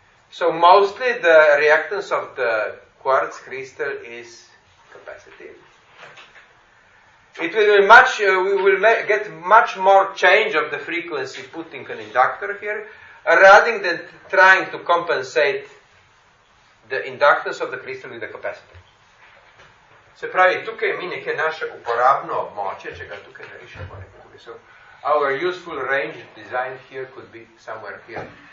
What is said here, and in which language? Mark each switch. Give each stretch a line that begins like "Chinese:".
English: So, mostly the reactance of the quartz crystal is capacitive. It will be much, we will get much more change of the frequency putting an inductor here, rather than trying to compensate the inductance of the crystal with the capacitor.
Slovenian: Se pravi, tukaj mi nekaj naše uporabno območje, če ga tukaj narišemo nekaj.
English: So, our useful range design here could be somewhere here.